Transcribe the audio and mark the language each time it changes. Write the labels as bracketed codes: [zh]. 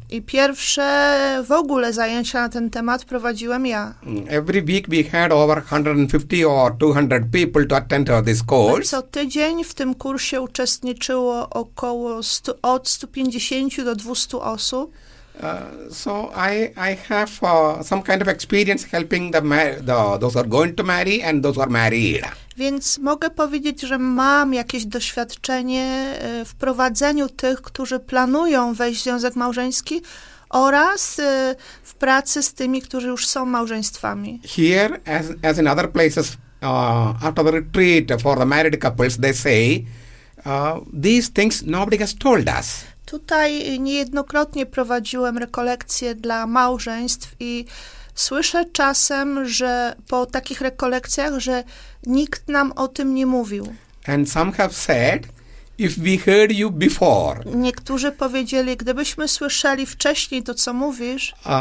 [pl] I pierwsze w ogóle zajęcia na ten temat prowadziłem ja. [en] Every week we had over 150 or 200 people to attend to this course. [pl] Co tydzień w tym kursie uczestniczyło około od 150 do 200 osób. [en] So I have some kind of experience helping those who are going to marry and those who are married. [pl] Więc mogę powiedzieć, że mam jakieś doświadczenie w prowadzeniu tych, którzy planują wejść w związek małżeński oraz w pracy z tymi, którzy już są małżeństwami. [en] Here, as in other places, after the retreat for the married couples, they say, these things nobody has told us. [pl] Tutaj niejednokrotnie prowadziłem rekolekcje dla małżeństw i słyszę czasem, że po takich rekolekcjach, że nikt nam o tym nie mówił. [en] And some have said, if we heard you before. [pl] Niektórzy powiedzieli, gdybyśmy słyszeli wcześniej to, co mówisz.